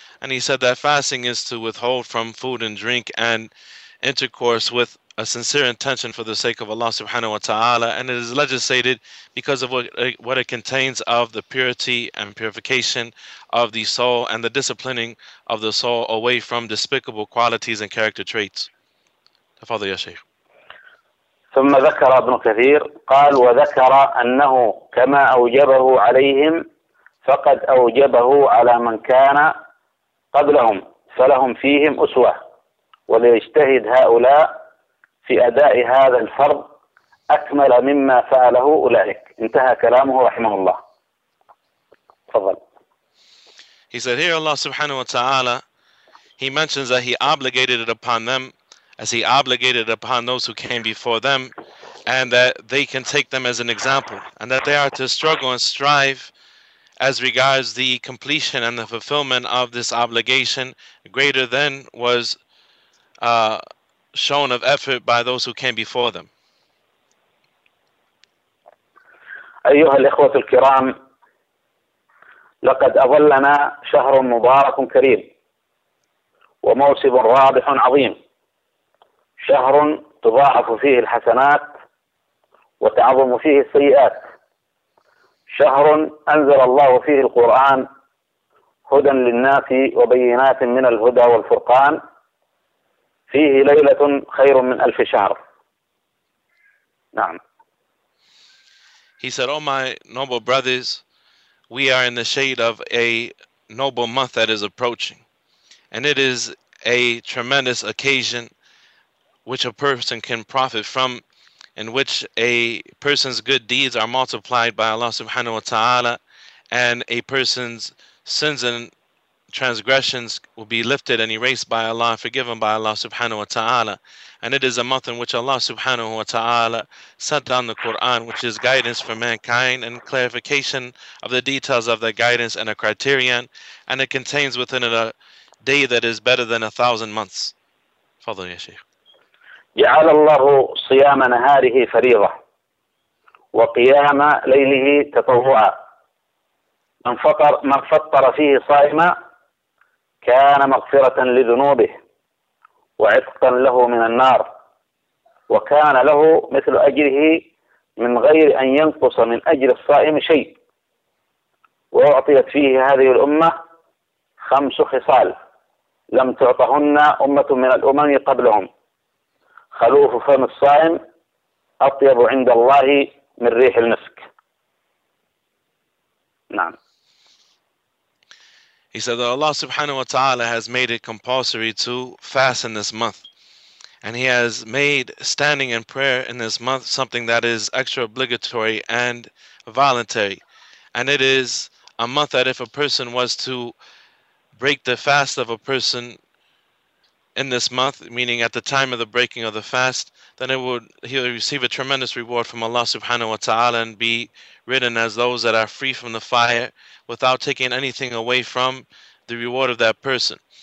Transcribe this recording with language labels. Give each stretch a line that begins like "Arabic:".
English: And he said that fasting is to withhold from food and drink and intercourse with a sincere intention for the sake of Allah subhanahu wa ta'ala, and it is legislated because of what it contains of the purity and purification of the soul and the disciplining of the soul away from despicable qualities and character traits.
Arabic: Tafadhal ya Shaykh. ثم ذكر ابن كثير قال وذكر أنه كما أوجبه عليهم فقد أوجبه على من كان قبلهم فلهم فيهم أسوة، وليجتهد هؤلاء في أداء هذا الفرض أكمل مما فعله أولئك. انتهى كلامه رحمه الله. تفضل.
English: He said here Allah subhanahu wa ta'ala, He mentions that He obligated it upon them as He obligated upon those who came before them, and that they can take them as an example, and that they are to struggle and strive as regards the completion and the fulfillment of this obligation greater than was shown of effort by those who came before them.
Arabic: أيها الإخوة الكرام، لقد أظلنا شهر مبارك كريم وموسم رابح عظيم، شهر تضاعف فيه الحسنات وتعظم فيه السيئات، شهر أنزل الله فيه القرآن هدى للناس وبينات من الهدى والفرقان، فيه ليلة خير من ألف شهر. نعم.
English: He said, Oh my noble brothers, we are in the shade of a noble month that is approaching, and it is a tremendous occasion which a person can profit from, in which a person's good deeds are multiplied by Allah subhanahu wa ta'ala, and a person's sins and transgressions will be lifted and erased by Allah, forgiven by Allah subhanahu wa ta'ala. And it is a month in which Allah subhanahu wa ta'ala sent down the Quran, which is guidance for mankind and clarification of the details of that guidance and a criterion, and it contains within it a day that is better than 1,000 months.
Arabic: Fadhal ya Shaykh. جعل الله صيام نهاره فريضة وقيام ليله تطوعا، من فطر فيه صائما كان مغفرة لذنوبه وعتقا له من النار، وكان له مثل أجره من غير أن ينقص من أجر الصائم شيء، وأعطيت فيه هذه الأمة خمس خصال لم تعطهن أمة من الأمم قبلهم: خلوف فم الصائم، أطيب عند الله من ريح المسك. نعم.
English: He said that Allah subhanahu wa ta'ala has made it compulsory to fast in this month. And He has made standing in prayer in this month something that is extra obligatory and voluntary. And it is a month that if a person was to break the fast of a person in this month, meaning at the time of the breaking of the fast, then he would receive a tremendous reward from Allah subhanahu wa ta'ala and be written as those that are free from the fire without taking anything away from the reward of that person.